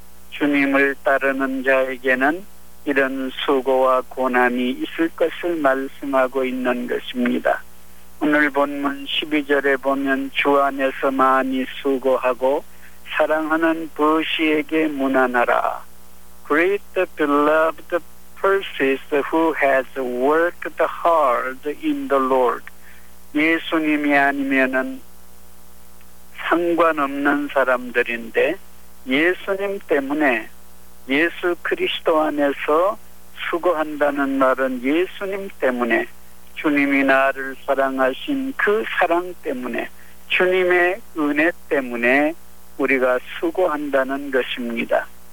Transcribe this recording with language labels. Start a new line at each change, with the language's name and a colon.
Korean: 주님을 따르는 자에게는 이런 수고와 고난이 있을 것을 말씀하고 있는 것입니다. 오늘 본문 12절에 보면 주 안에서 많이 수고하고 사랑하는 부시에게 문안하라.
English: Greet the beloved Persis who has worked hard in the Lord.
Korean: 예수님이 아니면은 상관없는 사람들인데 예수님 때문에 예수 그리스도 안에서 수고한다는 말은 예수님 때문에 주님이 나를 사랑하신 그 사랑 때문에 주님의 은혜 때문에 우리가 수고한다는 것입니다.